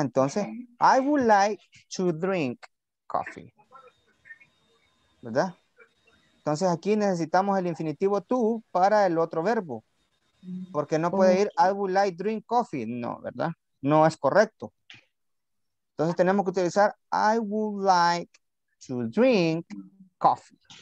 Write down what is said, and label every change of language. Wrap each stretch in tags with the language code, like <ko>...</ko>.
<en>Entonces, okay. I would like to drink coffee.</en> <es>¿Verdad? Entonces aquí necesitamos el infinitivo to para el otro verbo. Porque no puede ir,</es> <en>I would like drink coffee.</en> <es>No, ¿verdad? No es correcto. Entonces tenemos que utilizar,</es> <en>I would like to drink coffee.</en>